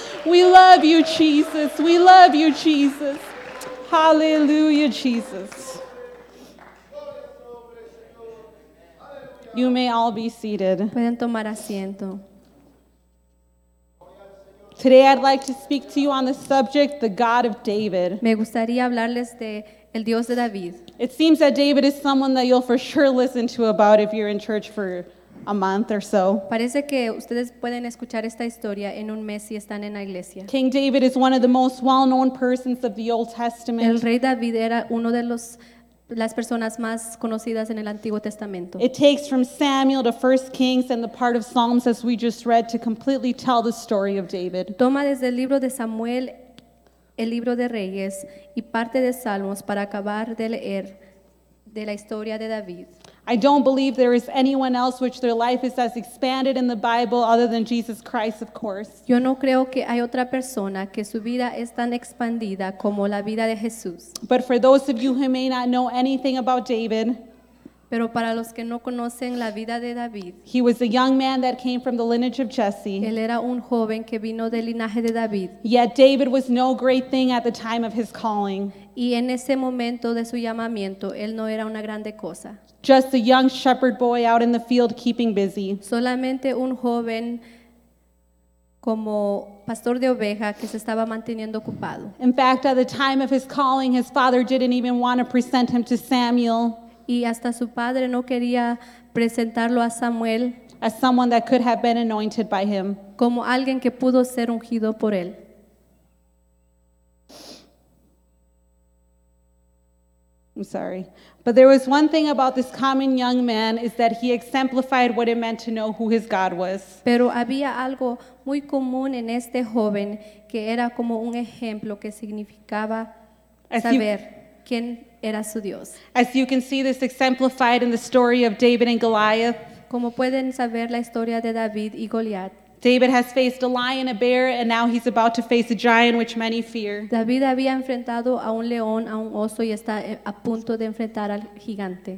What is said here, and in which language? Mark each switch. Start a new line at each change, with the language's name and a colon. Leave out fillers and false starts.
English: We love you, Jesus. We love you, Jesus. Hallelujah, Jesus. You may all be seated.
Spanish: Pueden tomar asiento.
English: Today I'd like to speak to you on the subject, the God of David.
Spanish: Me gustaría hablarles de el Dios de David.
English: It seems that David is someone that you'll for sure listen to about if you're in church for a month or so.
Spanish: Parece que ustedes pueden escuchar esta historia en un mes si están en la iglesia.
English: King David is one of the most well-known persons of the Old Testament.
Spanish: El rey David era uno de los las personas más conocidas en el Antiguo Testamento.
English: It takes from Samuel to 1 Kings and the part of Psalms as we just read to completely tell the story of David.
Spanish: Toma desde el libro de Samuel, el libro de Reyes y parte de Salmos para acabar de leer de la historia de David.
English: I don't believe there is anyone else which their life is as expanded in the Bible other than Jesus Christ, of course.
Spanish: Yo no creo que hay otra persona que su vida es tan expandida como la vida de Jesús.
English: But for those of you who may not know anything about David,
Spanish: pero para los que no conocen la vida de David,
English: he was a young man that came from the lineage of Jesse.
Spanish: Él era un joven que vino del linaje de David.
English: Yet David was no great thing at the time of his calling.
Spanish: Y en ese momento de su llamamiento, él no era una grande cosa.
English: Just a young shepherd boy out in the field keeping busy.
Spanish: Solamente un joven como pastor de oveja que se estaba manteniendo ocupado.
English: In fact, at the time of his calling, his father didn't even want to present him to Samuel.
Spanish: Y hasta su padre no quería presentarlo a Samuel
English: as someone that could have been anointed by him.
Spanish: Como alguien que pudo ser ungido por él.
English: I'm sorry. But there was one thing about this common young man is that he exemplified what it meant to know who his God was.
Spanish: Pero había algo muy común en este joven que era como un ejemplo que significaba saber quién era su Dios.
English: As you can see this exemplified in the story of David and Goliath.
Spanish: Como pueden saber la historia de David y Goliath.
English: David has faced a lion, a bear, and now he's about to face a giant which many fear.
Spanish: David había enfrentado a un león, a un oso, y está a punto de enfrentar al gigante.